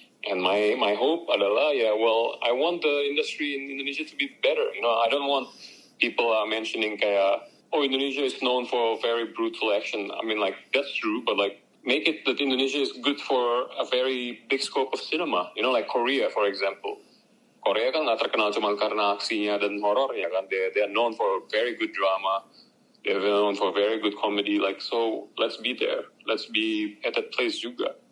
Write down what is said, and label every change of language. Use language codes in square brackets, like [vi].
[en] And my hope [id] adalah, [en] yeah, well, I want the industry in Indonesia to be better. You know, I don't want people mentioning [id] kayak [en] oh, Indonesia is known for very brutal action. I mean, like, that's true, but, like, make it that Indonesia is good for a very big scope of cinema. You know, like Korea, for example. [id] Korea kan nggak terkenal cuma karena aksinya dan horror, ya kan? [en] They are known for very good drama. They are known for very good comedy. Like, so let's be there. Let's be at that place [id] juga.